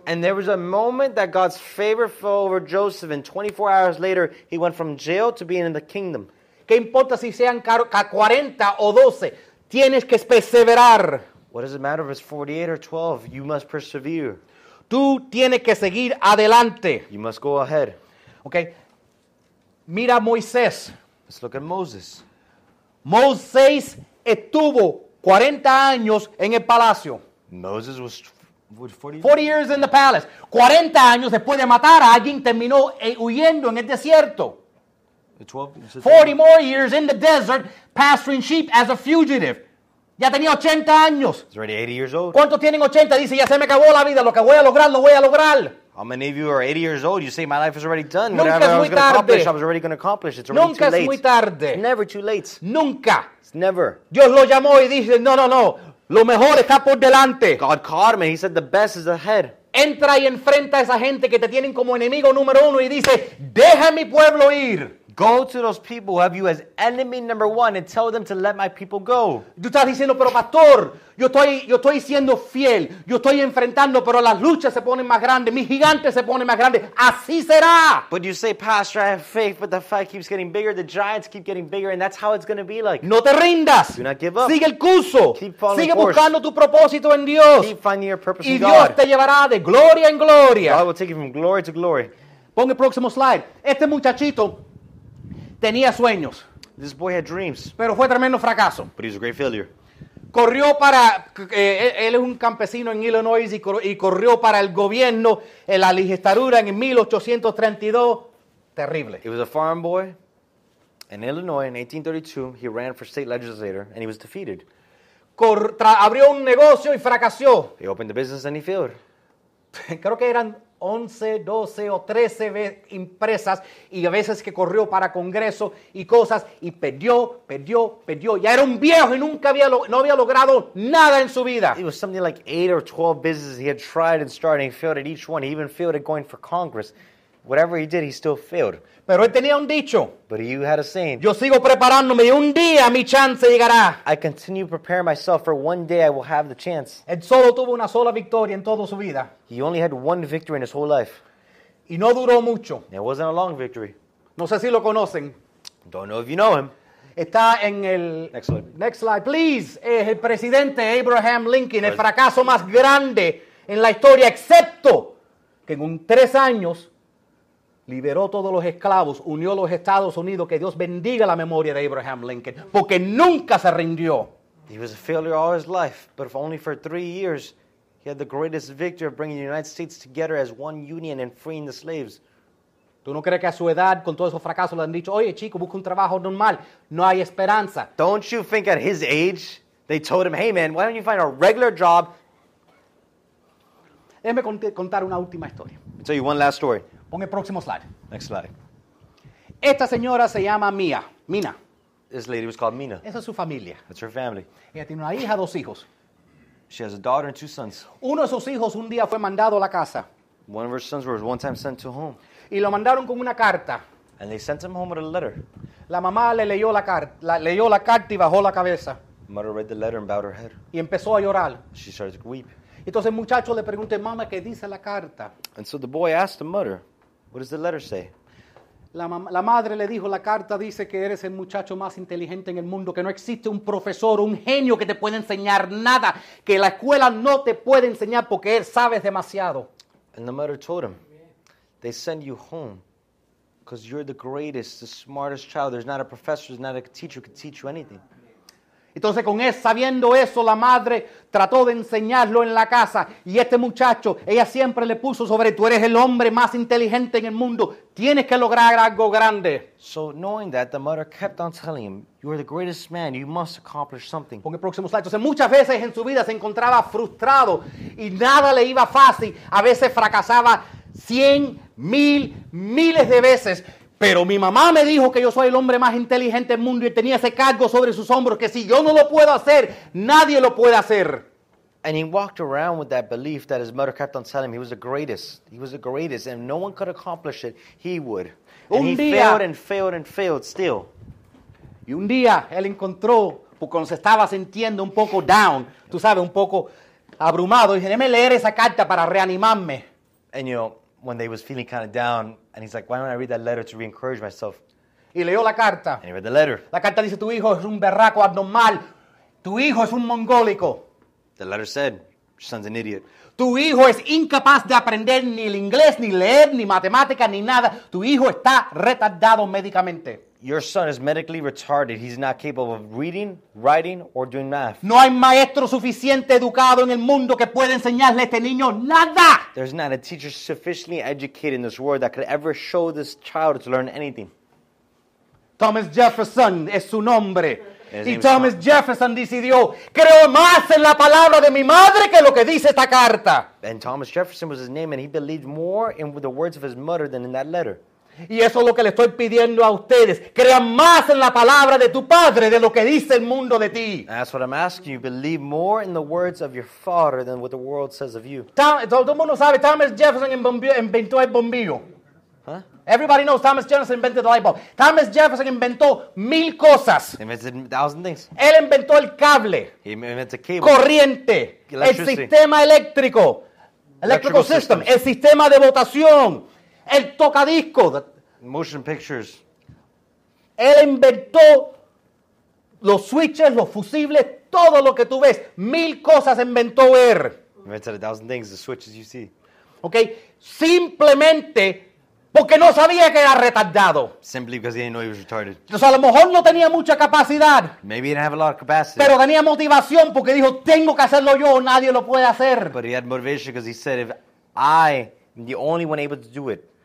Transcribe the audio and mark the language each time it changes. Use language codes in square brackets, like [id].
[en] And there was a moment that God's favor fell over Joseph and 24 hours later he went from jail to being in the kingdom. [es] ¿Qué importa si sean 40 o 12? Tienes que perseverar. [en] What does it matter if it's 48 or 12? You must persevere. [es] Tú tienes que seguir adelante. [en] You must go ahead. [es] Okay. Mira a Moisés. [en] Let's look at Moses. [es] Moisés estuvo 40 años en el palacio. [en] Moses was 40 years. 40 years in the palace. [es] 40 años después de matar a alguien terminó huyendo en el desierto. [en] 40 more years in the desert, pasturing sheep as a fugitive. [es] Ya tenía 80 años. [en] He's already 80 years old. [es] ¿Cuántos tienen 80? Dice, ya se me acabó la vida. Lo que voy a lograr, lo voy a lograr. [en] How many of you are 80 years old? You say, my life is already done. [es] Nunca [en] Whatever [es] es muy [en] I was [es] tarde. [en] Going to accomplish, I was already going to accomplish. It's already too late. [es] Nunca es muy tarde. [en] It's never too late. [es] Nunca. [en] It's never. [es] Dios lo llamó y dice, no, no, no. Lo mejor está por delante. [en] God called me. He said, the best is ahead. [es] Entra y enfrenta a esa gente que te tienen como enemigo número uno y dice, deja mi pueblo ir. [en] Go to those people who have you as enemy number one and tell them to let my people go. [es] Tú estás diciendo, pero pastor, yo estoy siendo fiel. Yo estoy enfrentando, pero las luchas se ponen más grandes. Mis gigantes se ponen más grandes. Así será. [en] But you say, pastor, I have faith, but the fight keeps getting bigger. The giants keep getting bigger, and that's how it's going to be like. [es] No te rindas. [en] Do not give up. [es] Sigue el curso. [en] Keep following [es] Sigue [en] course. [es] Buscando tu propósito en Dios. [en] Keep finding your purpose [es] y [en] in [es] Dios [en] God. [es] Te llevará de gloria en gloria. [en] God will take you from glory to glory. [es] Pon el próximo slide. Este muchachito... Tenía sueños. [en] This boy had dreams. [es] Pero fue tremendo fracaso. [en] But he's a great failure. [es] Corrió para, él es un campesino en Illinois y corrió para el gobierno en la legislatura en 1832. Terrible. [en] He was a farm boy in Illinois in 1832. He ran for state legislator and he was defeated. [es] Abrió un negocio y fracasó. [en] He opened the business and he failed. [es] Creo que eran 11, 12 o 13 empresas y a veces que corrió para congreso y cosas y perdió. Ya era un viejo y nunca había no había logrado nada en su vida. [en] It was something like 8 or 12 businesses he had tried and started and failed at each one. He even failed at going for congress. Whatever he did, he still failed. [es] Pero él tenía un dicho. [en] But he had a saying. [es] Yo sigo preparándome y un día mi chance llegará. [en] I continue preparing myself for one day I will have the chance. [es] Él solo tuvo una sola victoria en toda su vida. [en] He only had one victory in his whole life. [es] Y no duró mucho. [en] It wasn't a long victory. [es] No sé si lo conocen. [en] Don't know if you know him. [es] Está en el... [en] Next slide. Next slide, please. [es] Es el presidente Abraham Lincoln, el fracaso más grande en la historia, excepto que en 3 años... Liberó todos los esclavos, unió los Estados Unidos. Que Dios bendiga la memoria de Abraham Lincoln, porque nunca se rindió. [en] He was a failure all his life, but if only for 3 years, he had the greatest victory of bringing the United States together as one union and freeing the slaves. [es] ¿Tú no crees que a su edad, con todos esos fracasos, le han dicho, oye, chico, busca un trabajo normal, no hay esperanza? [en] Don't you think at his age, they told him, hey man, why don't you find a regular job? [es] Déjame contar una última historia. [en] I'll tell you one last story. [es] Pon el próximo slide. [en] Next slide. [es] Esta señora se llama Mia. Mina. [en] This lady was called Mina. [es] Esa es su familia. [en] That's her family. [es] Ella tiene una hija, dos hijos. [en] She has a daughter and two sons. [es] Uno de sus hijos un día fue mandado a la casa. [en] One of her sons was one time sent to home. [es] Y lo mandaron con una carta. [en] And they sent him home with a letter. [es] La mamá le leyó la carta, leyó la carta y bajó la cabeza. [en] Mother read the letter and bowed her head. [es] Y empezó a llorar. [en] She started to weep. [es] Entonces el muchacho le pregunta, mamá, ¿qué dice la carta? [en] And so the boy asked the mother, what does the letter say? [es] La madre le dijo, la carta dice que eres el muchacho más inteligente en el mundo, que no existe un profesor, un genio que te pueda enseñar nada, que la escuela no te puede enseñar porque él sabes demasiado. [en] And the mother told him, they send you home because you're the greatest, the smartest child. There's not a professor, there's not a teacher who can teach you anything. [es] Entonces, con él, sabiendo eso, la madre trató de enseñarlo en la casa. Y este muchacho, ella siempre le puso sobre, tú eres el hombre más inteligente en el mundo. Tienes que lograr algo grande. [en] So, knowing that, the mother kept on telling him, you are the greatest man, you must accomplish something. [es] Con el próximo slide. Entonces, muchas veces en su vida se encontraba frustrado y nada le iba fácil. A veces fracasaba 100,000, miles de veces. Pero mi mamá me dijo que yo soy el hombre más inteligente del mundo y tenía ese cargo sobre sus hombros que si yo no lo puedo hacer, nadie lo puede hacer. [en] And he walked around with that belief that his mother kept on telling him he was the greatest. He was the greatest. And if no one could accomplish it, he would. And [es] un [en] he [es] día, [en] failed and failed and failed still. [es] Y un día, él encontró, porque cuando se estaba sintiendo un poco down, tú sabes, un poco abrumado, y dije, déjame leer esa carta para reanimarme. [en] And you know, when they was feeling kind of down, and he's like, why don't I read that letter to re-encourage myself? [es] Y leyó la carta. [en] And he read the letter. [es] La carta dice, tu hijo es un berraco abnormal. Tu hijo es un mongólico. [en] The letter said, your son's an idiot. [es] Tu hijo es incapaz de aprender ni el inglés, ni leer, ni matemática, ni nada. Tu hijo está retardado médicamente. [en] Your son is medically retarded. He's not capable of reading, writing, or doing math. [es] No hay maestro suficiente educado en el mundo que pueda enseñarle a este niño nada. [en] There's not a teacher sufficiently educated in this world that could ever show this child to learn anything. [es] Thomas Jefferson es su nombre. Y Thomas Jefferson decidió, creo más en la palabra de mi madre que lo que dice esta carta. [en] And Thomas Jefferson was his name, and he believed more in the words of his mother than in that letter. [es] Y eso es lo que le estoy pidiendo a ustedes. Crean más en la palabra de tu padre de lo que dice el mundo de ti. [en] That's what I'm asking you. Believe more in the words of your father than what the world says of you. [es] Todo el mundo sabe, Thomas Jefferson inventó el bombillo. Huh? [en] Everybody knows Thomas Jefferson invented the light bulb. [es] Thomas Jefferson inventó mil cosas. [en] He invented 1,000 things. [es] Él inventó el cable. [en] He invented cable. [es] Corriente. El sistema eléctrico. [en] Electrical system. [es] El sistema de votación. El tocadisco. [en] Motion pictures. [es] Él inventó los switches, los fusibles, todo lo que tú ves. Mil cosas inventó él. [en] Invented 1,000 things, the switches you see. [es] Okay. Simplemente porque no sabía que era retardado. [en] Simply because he didn't know he was retarded. [es] Entonces, a lo mejor no tenía mucha capacidad. [en] Maybe he didn't have a lot of capacity. [es] Pero tenía motivación porque dijo, tengo que hacerlo yo, nadie lo puede hacer. [en] But he had motivation because he said, if I am the only one able to do it.